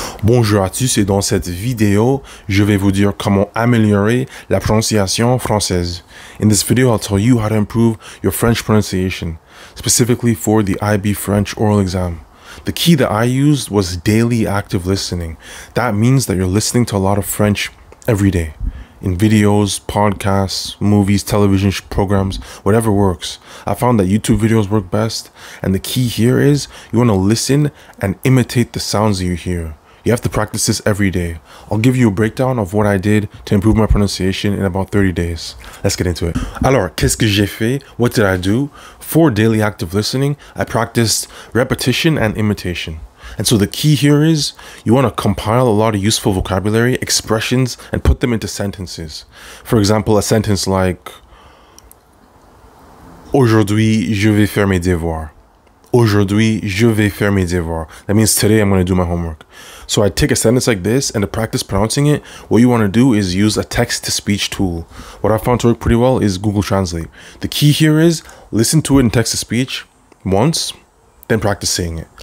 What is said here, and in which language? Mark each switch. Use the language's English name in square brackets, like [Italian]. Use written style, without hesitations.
[French] Bonjour à tous et dans cette vidéo, je vais vous dire comment améliorer la prononciation française. [English] In this video, I'll tell you how to improve your French pronunciation, specifically for the IB French oral exam. The key that I used was daily active listening. That means that you're listening to a lot of French every day. In videos, podcasts, movies, television programs, whatever works. I found that YouTube videos work best, and the key here is you want to listen and imitate the sounds that you hear. You have to practice this every day. I'll give you a breakdown of what I did to improve my pronunciation in about 30 days. Let's get into it. [French] Alors, qu'est-ce que j'ai fait? [English] What did I do? For daily active listening, I practiced repetition and imitation. And so the key here is you want to compile a lot of useful vocabulary, expressions, and put them into sentences. For example, a sentence like, [French] aujourd'hui, je vais faire mes devoirs. Aujourd'hui, je vais faire mes devoirs. [English] That means today I'm going to do my homework. So I take a sentence like this, and to practice pronouncing it, what you want to do is use a text-to-speech tool. What I found to work pretty well is Google Translate. The key here is listen to it in text-to-speech once, then practice saying it.